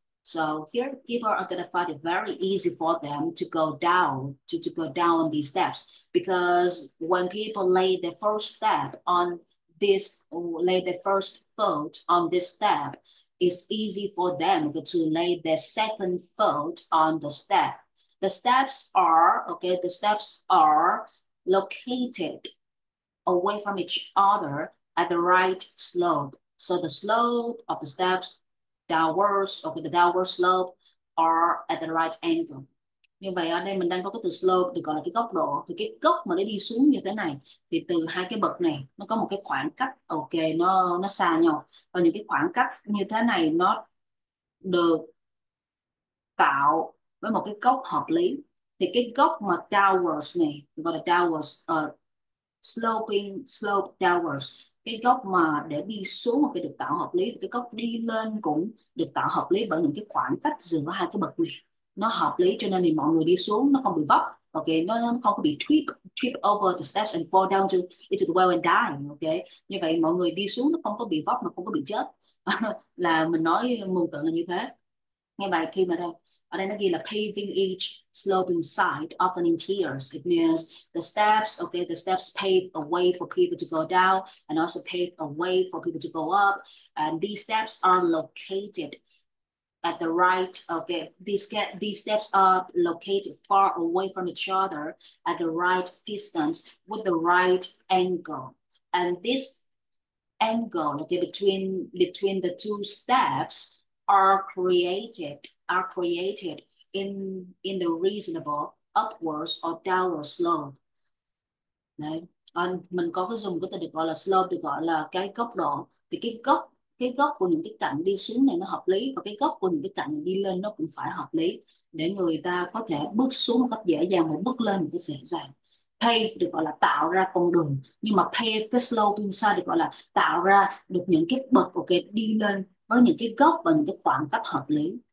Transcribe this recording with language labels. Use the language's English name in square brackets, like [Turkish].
[English] So here people are gonna find it very easy for them to go down these steps, because when people lay their first foot on this step, it's easy for them to lay their second foot on the step. The steps are located away from each other at the right slope. So the slope of the steps downwards, okay, the downward slope are at the right angle. [Vietnamese] Như vậy ở đây mình đang có cái từ slope thì gọi là cái góc độ, thì cái gốc mà nó đi xuống như thế này thì từ hai cái bậc này nó có một cái khoảng cách, ok, nó xa nhau, và những cái khoảng cách như thế này nó được tạo với một cái gốc hợp lý. Thì cái gốc mà downwards này gọi là downwards, sloping slope downwards, cái góc mà để đi xuống một cái được tạo hợp lý, cái góc đi lên cũng được tạo hợp lý bởi những cái khoảng cách giữa hai cái bậc này nó hợp lý, cho nên thì mọi người đi xuống nó không bị vấp, ok, nó không có bị [English] trip trip over the steps and fall down to into the well and die, [Vietnamese] ok. Như vậy mọi người đi xuống nó không có bị vấp mà không có bị chết là mình nói mường tượng là như thế. Nghe bài khi mà đây, ở đây nó ghi là [English] paving each slope inside of an interior. It means the steps pave a way for people to go down and also pave a way for people to go up. And these steps are located at the right, okay, these steps are located far away from each other at the right distance with the right angle. And this angle, okay, between the two steps are created in the reasonable upwards or downward slope. [Vietnamese] Đấy. Còn mình có cái dùng cái từ được gọi là slope, được gọi là cái góc độ. Thì cái góc của những cái cạnh đi xuống này nó hợp lý, và cái góc của những cái cạnh đi lên nó cũng phải hợp lý để người ta có thể bước xuống một cách dễ dàng và bước lên một cách dễ dàng. Pave được gọi là tạo ra con đường, nhưng mà pave cái slope inside được gọi là tạo ra được những cái bậc, ok, đi lên với những cái góc và những cái khoảng cách hợp lý.